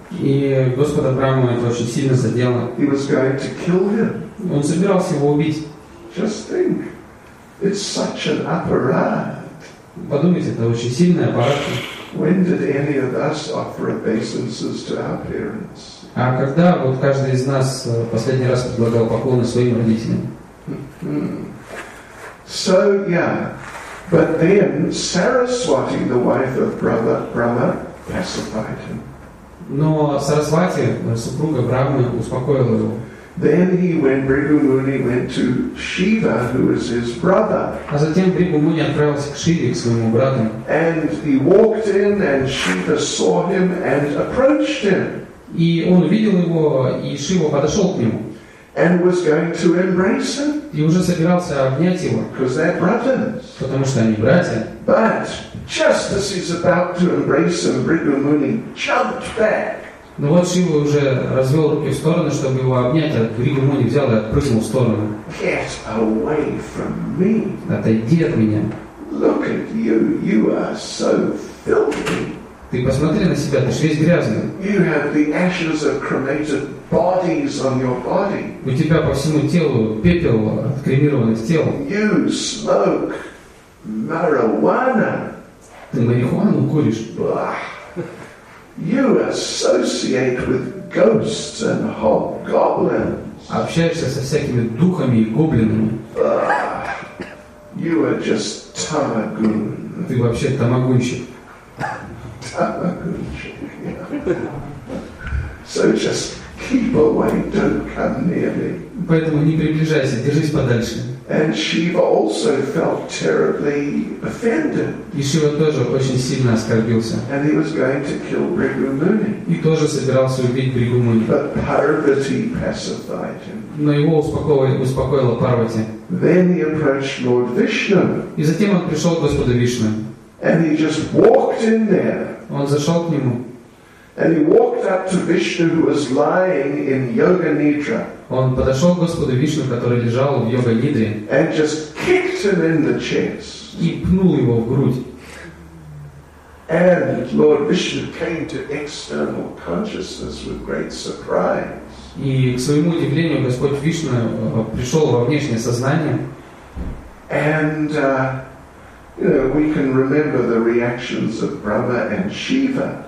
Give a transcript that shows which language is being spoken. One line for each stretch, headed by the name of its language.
Russian: И Господа Брахму это очень сильно задело.
English: He was going to kill him.
Russian: Он собирался его убить.
English: Just think, it's such an apparat.
Russian: Подумайте, это очень сильный аппарат.
English: When did any of us offer obeisances to our parents?
Russian: А когда вот каждый из нас последний раз предлагал поклоны своим родителям?
English: So yeah, but then Saraswati, the wife of Brahma, pacified him.
Russian: Но Сарасвати, супруга Брахмы, успокоила его.
English: Then he went, Бригу Муни went to Shiva, who was his brother.
Russian: А затем Бригу Муни отправился к Шиве, к своему брату.
English: And he walked in, and Shiva saw him and approached him.
Russian: И он увидел его, и Шива подошел к нему.
English: And was going to embrace him.
Russian: И уже собирался обнять его.
English: Because they're brothers.
Russian: Потому что они братья.
English: But just as he's about to embrace him, Бригу Муни jumped back.
Russian: Но вот Шива уже развел руки в стороны, чтобы его обнять, а Бригу Муни взял и отпрыгнул в сторону.
English: Get away from me.
Russian: Отойди от меня.
English: Look at you. You are so filthy.
Russian: Ты посмотри на себя, ты же весь грязный.
English: You have the ashes of cremated bodies on your body.
Russian: У тебя по всему телу пепел от кремированных тел.
English: You smoke marijuana.
Russian: Ты марихуану куришь.
English: You associate with ghosts and hobgoblins.
Russian: Общаешься со всякими духами и гоблинами.
English: You are just tamagun.
Russian: Ты вообще тамагунщик.
English: So just keep away, don't come near me.
Russian: Поэтому не приближайся, держись подальше.
English: And Shiva also felt terribly offended.
Russian: И Шива тоже очень сильно оскорбился.
English: And he was going to kill Бригу Муни.
Russian: И тоже собирался убить Бригу Муни.
English: But Парвати pacified him.
Russian: Но его успокоила Парвати.
English: Then he approached Lord Vishnu.
Russian: И затем он пришел к Господу Вишну.
English: And he just walked in there.
Russian: Он зашел к нему.
English: And he walked up to Vishnu, who was lying in yoga nidra.
Russian: Он подошел к Господу Вишну, который лежал в йога нидре.
English: And just kicked him in the chest.
Russian: И пнул его в грудь.
English: And Lord Vishnu came to external consciousness with great surprise.
Russian: И к своему удивлению Господь Вишну пришел во внешнее сознание.
English: And you know, we can remember the reactions of Brahma and Shiva.